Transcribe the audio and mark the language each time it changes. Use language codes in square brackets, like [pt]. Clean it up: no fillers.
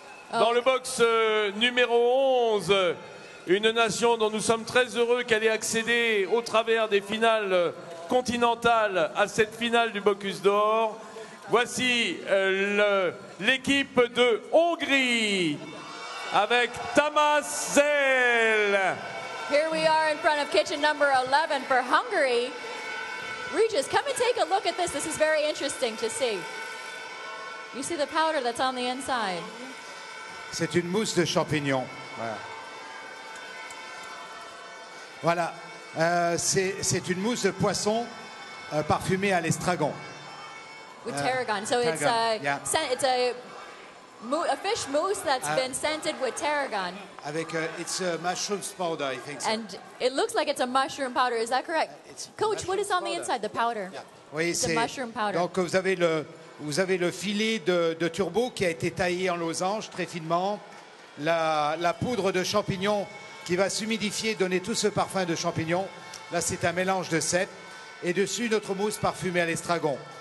[fr] Dans le box numéro 11, une nation dont nous sommes très heureux qu'elle ait accédé au travers des finales continentales à cette finale du Bocuse d'Or. Voici l'équipe de Hongrie avec Tamás Zell. [en] Here we are in front of kitchen number 11 for Hungary. Regis, come and take a look at this. This is very interesting to see. You see the powder that's on the inside. [fr] C'est une mousse de champignons. Voilà. C'est une mousse de poisson parfumée à l'estragon. [en] With tarragon. So it's a fish mousse that's been scented with tarragon. [fr] Avec, [en] it's a mushroom powder, I think so. And it looks like it's a mushroom powder, is that correct? Coach, what is on the inside, the powder? Yeah. [fr] Oui, [en] the mushroom powder. [fr] Donc vous avez le filet de turbo qui a été taillé en losange très finement, la poudre de champignon qui va s'humidifier, donner tout ce parfum de champignon. Là, c'est un mélange de cèpe. Et dessus, notre mousse parfumée à l'estragon.